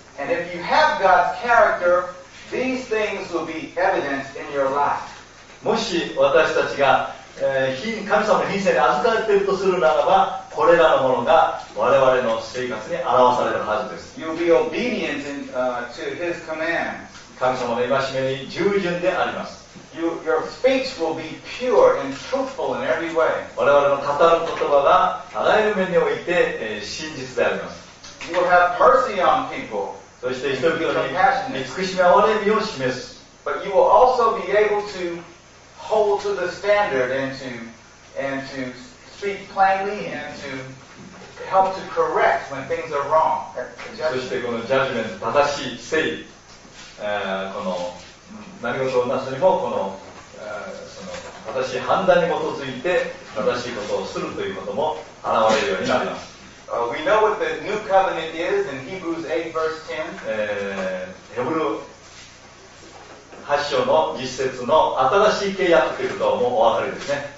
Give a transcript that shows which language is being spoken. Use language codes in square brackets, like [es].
[en] And if you have God's character, these things will be evident in your life. [ja] もし私たちが神様の品性に預かっているとするならば、これらのものが我々の生活に表されるはずです。 [en] You'll be obedient in, to his commands. [ja] 神様の戒めに従順であります。 [en] your speech will be pure and truthful in every way. [ja] 我々の語る言葉があらゆる面において、真実であります。 [en] you will have mercy on people. [ja] そして人々に慈しみ、憐れみを示す。 [en] But you will also be able to hold to the standard and to speak plainly and to help to correct when things are wrong. [ja] そしてこのジャッジメント、正しい正義、この何事をなすにもこの、その正しい判断に基づいて正しいことをするということも現れるようになります。 [en] We know what the new covenant is in Hebrews 8 verse 10. [ja] ヘブル8章の実節の新しい契約ということはもうお分かりですね。